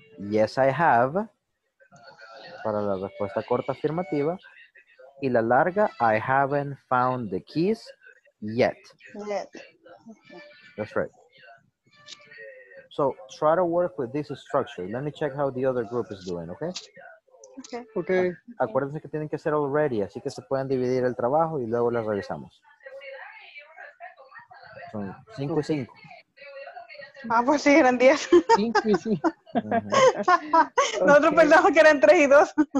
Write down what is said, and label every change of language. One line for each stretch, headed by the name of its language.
English: Yes, I have,
Spanish: para la respuesta corta afirmativa. Y la larga,
English: I haven't found the keys yet. Yet. That's right. So try to work with this structure. Let me check how the other group is doing, okay? Okay. Okay.
Spanish: Acuérdense que tienen que hacer already, así que se pueden dividir el trabajo y luego las revisamos. Son 5 y 5. Ah, pues sí, eran 10. 5 y 5. Nosotros
English: okay.
Spanish: pensamos que eran 3 y 2.